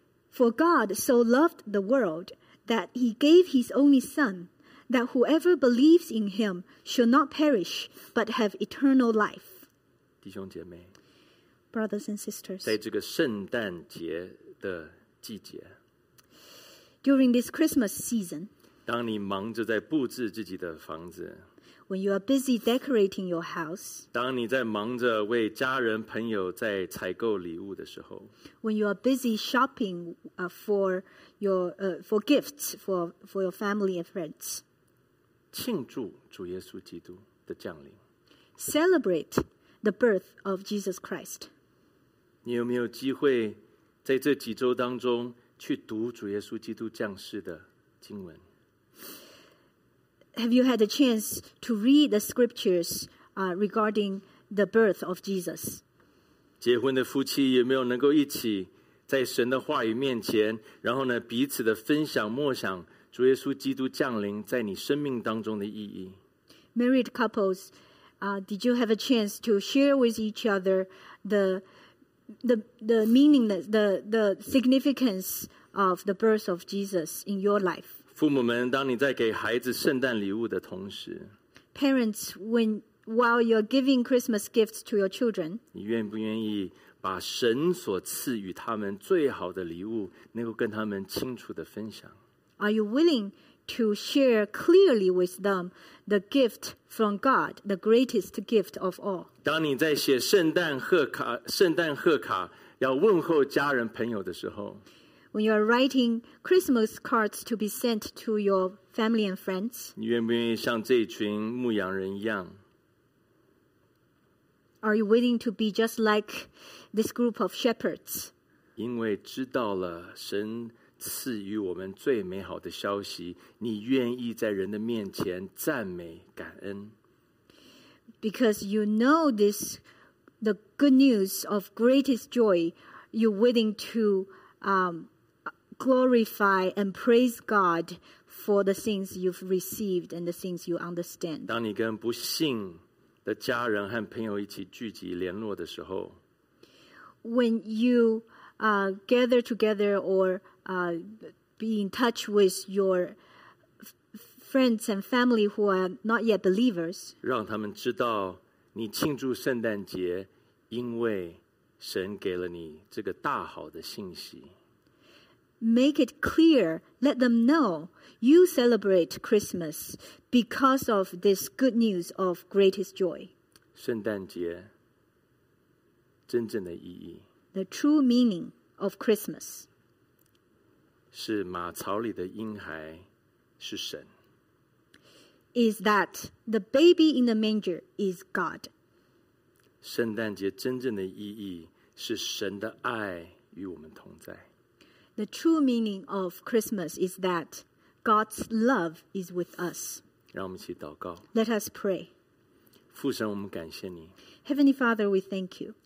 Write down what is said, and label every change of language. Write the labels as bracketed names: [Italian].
[English] For God so loved the world that he gave his only son, that whoever believes in him shall not perish, but have eternal life. [Chinese] 弟兄姐妹 [English] Brothers and sisters, [Chinese] 在这个圣诞节的季节 [English] during this Christmas season, [Chinese] 当你忙着在布置自己的房子 [English] when you are busy decorating your house, [Chinese] 当你在忙着为家人朋友在采购礼物的时候 [English] when you are busy shopping for gifts for your family and friends, [Chinese] 庆祝主耶稣基督的降临。 [English] Celebrate the birth of Jesus Christ. [Chinese] 你有没有机会在这几周当中去读主耶稣基督降世的经文？ [English] Have you had a chance to read the scriptures regarding the birth of Jesus? [Chinese] 结婚的夫妻有没有能够一起在神的话语面前，然后呢彼此的分享默想主耶稣基督降临在你生命当中的意义？ [English] Married couples, did you have a chance to share with each other the meaning, the significance of the birth of Jesus in your life? [Chinese] 父母们，当你在给孩子圣诞礼物的同时 [English] ，Parents, when while you're giving Christmas gifts to your children, [Chinese] 你愿不愿意把神所赐予他们最好的礼物，能够跟他们清楚的分享 [English] ？Are you willing to share clearly with them the gift from God, the greatest gift of all? [Chinese] 当你在写圣诞贺卡，要问候家人朋友的时候。 [English] When you are writing Christmas cards to be sent to your family and friends, [Chinese] 你愿不愿意像这群牧羊人一样？ [English] Are you willing to be just like this group of shepherds? [Chinese] 因为知道了神赐予我们最美好的消息，你愿意在人的面前赞美感恩？ [English] Because you know this, the good news of greatest joy, you're willing to glorify and praise God for the things you've received and the things you understand. [Chinese] 当你跟不信的家人和朋友一起聚集联络的时候 [English] ，When you gather together or be in touch with your friends and family who are not yet believers, [Chinese] 让他们知道你庆祝圣诞节，因为神给了你这个大好的信息。 [English] Make it clear, let them know you celebrate Christmas because of this good news of greatest joy. [Chinese] 圣诞节真正的意义 [English] The true meaning of Christmas [Chinese] 是马槽里的婴孩是神 [English] Is that the baby in the manger is God. [Chinese] 圣诞节真正的意义是神的爱与我们同在 [English] The true meaning of Christmas is that God's love is with us. [Chinese] 让我们一起祷告。 [English] Let us pray. [Chinese] 父神，我们感谢你。 [English] Heavenly Father, we thank you.